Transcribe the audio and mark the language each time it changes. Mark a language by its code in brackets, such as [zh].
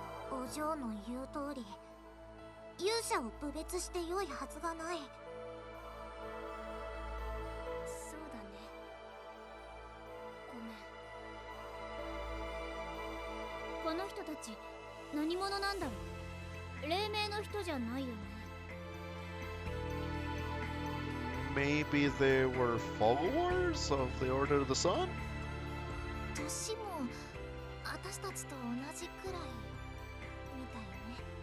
[ja] お嬢の言う通り、勇者を侮蔑して良いはずがない。そうだね、ごめん。この人たち何者なんだろう。黎明の人じゃないよね。 [en] Maybe they were followers of the Order of the Sun? [ja] 年も私たちと同じくらいみたいね。